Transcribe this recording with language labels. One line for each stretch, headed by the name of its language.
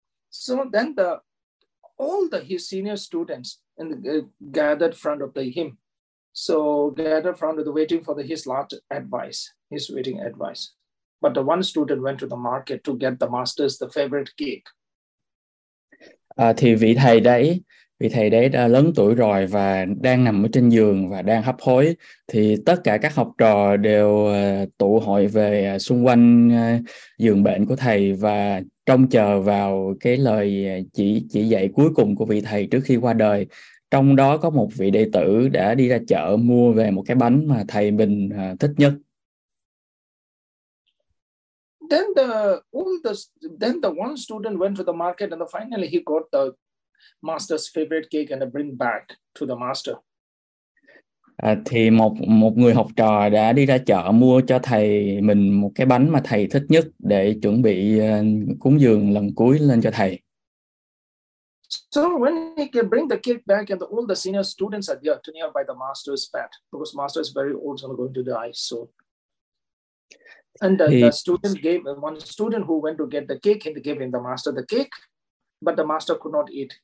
English: So then all his senior students in the, gathered front of the him. So gathered front of the waiting for his waiting advice. But the one student went to the market to get the master's the favorite cake.
Vietnamese: Thì vị thầy đấy đã lớn tuổi rồi và đang nằm ở trên giường và đang hấp hối, thì tất cả các học trò đều tụ hội về xung quanh giường bệnh của thầy và trông chờ vào cái lời chỉ dạy cuối cùng của vị thầy trước khi qua đời. Trong đó có một vị đệ tử đã đi ra chợ mua về một cái bánh mà thầy mình thích nhất.
English: Then the one student went to the market and finally he got the master's favorite cake and bring back to the master.
Vietnamese: Thì một người học trò đã đi ra chợ mua cho thầy mình một cái bánh mà thầy thích nhất để chuẩn bị cúng dường lần cuối lên cho thầy.
English: So when he can bring the cake back and all the senior students are there to nearby the master's bed, because master is very old and so going to die soon. And one student who went to get the cake, he gave him the master the cake, but the master could not eat.